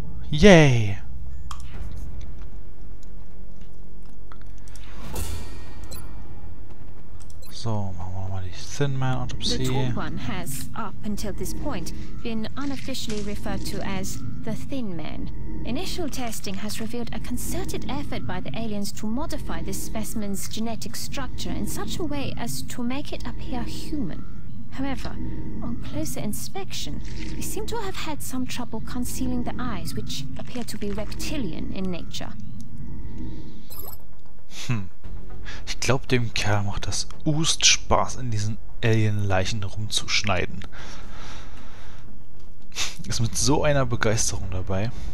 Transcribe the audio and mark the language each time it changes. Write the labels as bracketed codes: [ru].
[de] Yay! So, machen wir mal die Thin Man Autopsie. [en] The tall one has, up until this point, been unofficially referred to as the Thin Man. Initial testing has revealed a concerted effort by the aliens to modify this specimen's genetic structure in such a way as to make it appear human. However, on closer inspection, we seem to have had some trouble concealing the eyes, which appear to be reptilian in nature. [de] Ich glaube, dem Kerl macht das Ust Spaß, in diesen Alien-Leichen rumzuschneiden. Ist mit so einer Begeisterung dabei.